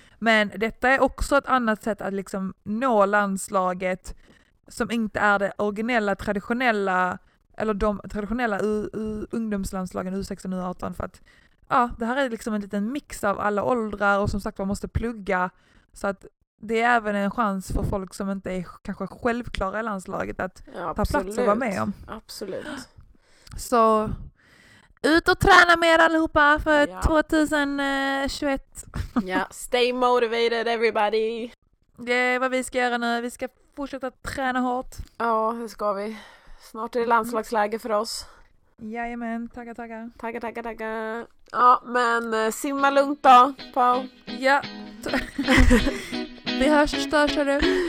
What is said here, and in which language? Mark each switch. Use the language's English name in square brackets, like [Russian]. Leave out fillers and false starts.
[Swedish] Men detta är också ett annat sätt att liksom nå landslaget som inte är det originella, traditionella eller de traditionella ungdomslandslagen U16 och U18 för att ja, det här är liksom en liten mix av alla åldrar och som sagt man måste plugga så att det är även en chans för folk som inte är kanske självklara i landslaget att ta plats och vara med om. Absolut. Så ut och träna med allihopa för 2021. [English] Ja, stay motivated everybody. [Swedish] Det är vad vi ska göra nu. Vi ska fortsätta träna hårt. Ja, det ska vi. Snart är det landslagsläge för oss. Jajamän, tackar, tackar. Tackar, tackar, tackar. Ja, men simma lugnt då, Pau. Ja. Vi hörs och störs, hörru.